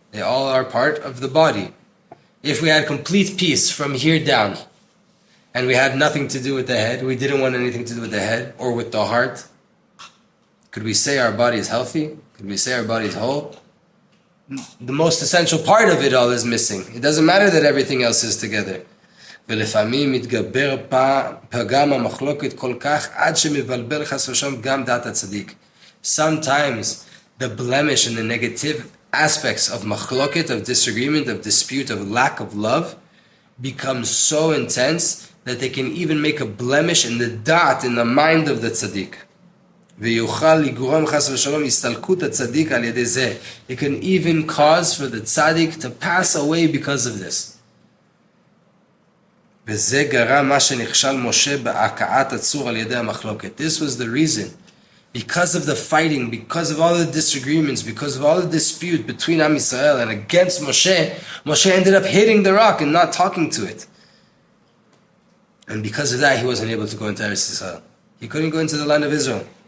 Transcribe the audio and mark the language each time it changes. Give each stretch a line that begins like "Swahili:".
English: They all are part of the body. If we had complete peace from here down, and we had nothing to do with the head, we didn't want anything to do with the head or with the heart, could we say our body is healthy? Could we say our body is whole? The most essential part of it all is missing. It doesn't matter that everything else is together.
Hebrew: ולפעמים מתגבר פגם המחלוקת כל כך עד שמבלבל חסושם גם דעת הצדיק.
English: Sometimes the blemish and the negative aspects of מחלוקת, of disagreement, of dispute, of lack of love become so intense that they can even make a blemish in the דעת, in the mind of the צדיק.
Hebrew: ויוכל לגרום חס ושלום הסתלקות הצדיק על ידי זה.
English: It can even cause for the צדיק to pass away because of this.
Hebrew: וזה גרם מה שנכשל משה בהקעת הצור על ידי המחלוקת.
English: This was the reason. Because of the fighting, because of all the disagreements, because of all the dispute between Am Yisrael and against Moshe, Moshe ended up hitting the rock and not talking to it. And because of that, he wasn't able to go into Eretz Yisrael. He couldn't go into the land of Israel.